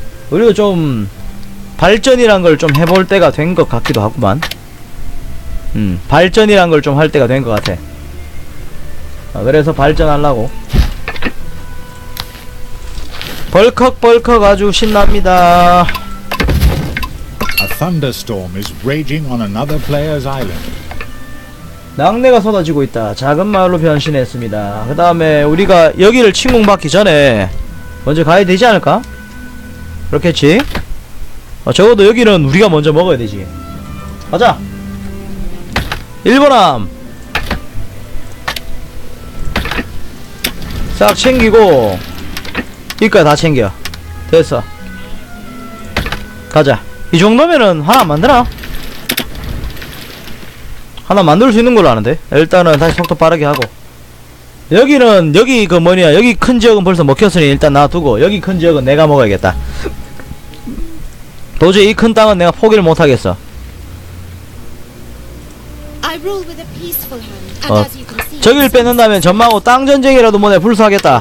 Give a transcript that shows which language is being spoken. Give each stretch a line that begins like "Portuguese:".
Korean: 우리도 좀 발전이란 걸 좀 해볼 때가 된 것 같기도 하구만. 발전이란 걸 좀 할 때가 된 것 같아. 그래서 발전하려고. 벌컥벌컥 아주 신납니다.
English: A thunderstorm is raging on another player's island.
Korean: 낙뢰가 쏟아지고 있다. 작은 마을로 변신했습니다. 그 다음에 우리가 여기를 침공받기 전에 먼저 가야 되지 않을까? 그렇겠지? 적어도 여기는 우리가 먼저 먹어야 되지. 가자! 일본함! 싹 챙기고 이거 다 챙겨. 됐어. 가자. 이 정도면은 하나 만드나? 하나 만들 수 있는 걸로 아는데? 일단은 다시 속도 빠르게 하고. 여기 큰 지역은 벌써 먹혔으니 일단 놔두고, 여기 큰 지역은 내가 먹어야겠다. 도저히 이 큰 땅은 내가 포기를 못 하겠어.
English: I rule with a peaceful hand, and as you can see,
Korean: 저기를 뺏는다면 점하고 땅전쟁이라도 뭐내 불사하겠다.